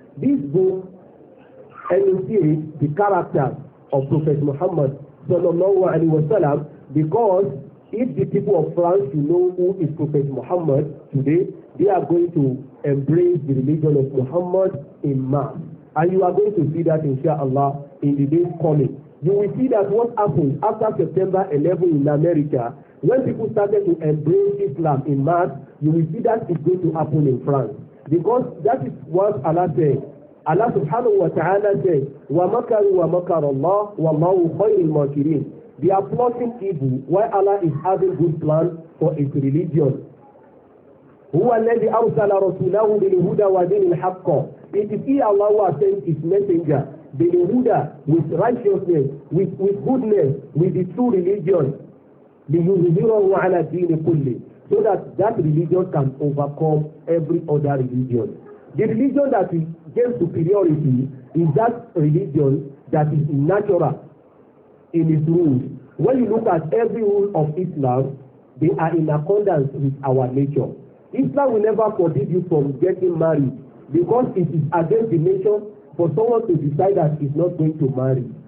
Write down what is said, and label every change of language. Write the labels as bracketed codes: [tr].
[en] This book enunciate the character of Prophet Muhammad sallallahu alaihi wasallam, because if the people of France you know who is Prophet Muhammad today, they are going to embrace the religion of Muhammad in mass. And you are going to see that inshallah in the days coming. You will see that what happened after September 11 in America, when people started to embrace Islam in mass, you will see that it's going to happen in France. Because that is what Allah said. Allah subhanahu wa ta'ala said, [ar] وَمَكَرُوا وَمَكَرَ اللَّهُ وَاللَّهُ خَيْرِ الْمَاكِرِينَ. [en] They are plotting evil while Allah is having good plans for his religion. [ar] هُوَ الَّذِي أَرْسَلَ رَسُولَهُ بِالْهُدَى وَدِينِ الْحَقَّ. [en] It is he, Allah, who has sent his messenger, [ar] بِالْهُدَى, [en] with righteousness, with goodness, with the true religion, [ar] لِيُظْهِرَهُ عَلَى الدِّينِ كُلِّ, [en] so that religion can overcome every other religion. The religion that is gain superiority is that religion that is natural in its rules. When you look at every rule of Islam, they are in accordance with our nature. Islam will never forbid you from getting married because it is against the nature for someone to decide that he's not going to marry.